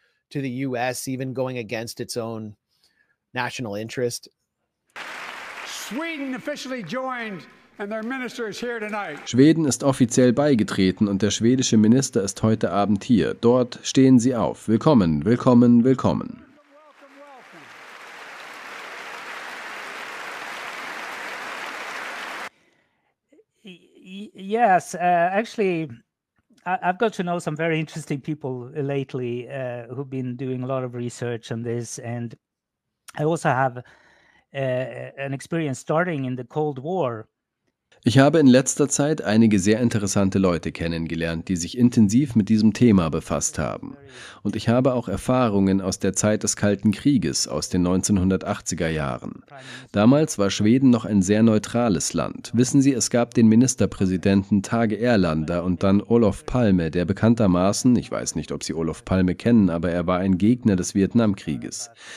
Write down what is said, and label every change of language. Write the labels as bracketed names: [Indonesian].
[English] To the US, even going against its own national interest. Sweden officially joined. And their minister is here tonight. [German] Schweden ist offiziell beigetreten und der schwedische Minister ist heute Abend hier. Dort stehen sie auf. Willkommen, willkommen, willkommen. [English] Yes, actually, I've got to know some very interesting people lately who've been doing a lot of research on this. And I also have an experience starting in the Cold War. [German] Ich habe in letzter Zeit einige sehr interessante Leute kennengelernt, die sich intensiv mit diesem Thema befasst haben. Und ich habe auch Erfahrungen aus der Zeit des Kalten Krieges, aus den 1980er Jahren. Damals war Schweden noch ein sehr neutrales Land. Wissen Sie, es gab den Ministerpräsidenten Tage Erlander und dann Olof Palme, der bekanntermaßen, ich weiß nicht, ob Sie Olof Palme kennen, aber er war ein Gegner des Vietnamkrieges.